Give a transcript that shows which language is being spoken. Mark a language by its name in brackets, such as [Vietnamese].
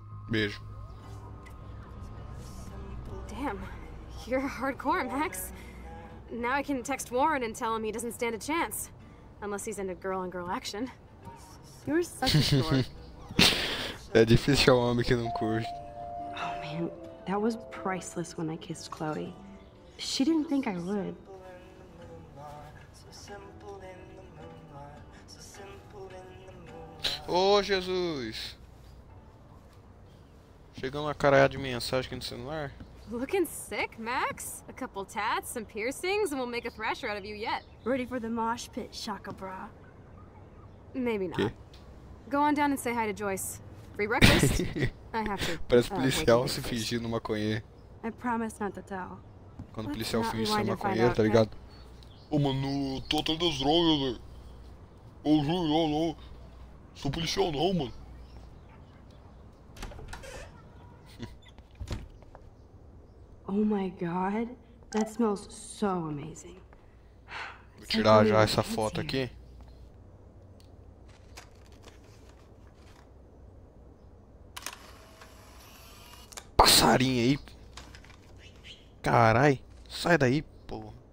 [Portuguese] Beijo. [English] Damn, you're hardcore, Max. Now I can text Warren and tell him he doesn't stand a chance. Unless he's into girl-on-girl action. You're such a [Portuguese] É difícil achar um homem que não curte. [English] Oh, man. That was priceless when I kissed Chloe. She didn't think I would. Oh, Jesus! [Portuguese] Chegou uma caralhada de mensagem aqui no celular. [English] Looking sick, Max. A couple tats, some piercings, and we'll make a thrasher out of you yet. Ready for the mosh pit, shaka bra. Maybe not. [Portuguese] Que? [English] Go on down and say hi to Joyce. Free breakfast? I have to. [Portuguese] Parece policial se fingindo maconheiro. [English] I promise not to tell. [Portuguese] Quando o policial finge ser maconheiro, tá ligado? Ô, mano, tô tendo as drogas, velho. Ô, juro, não. Sou policial, não, mano. [English] Oh my god, that smells so amazing. [Portuguese] Vou tirar já essa foto aqui. Passarinho aí. Carai, sai daí, pô.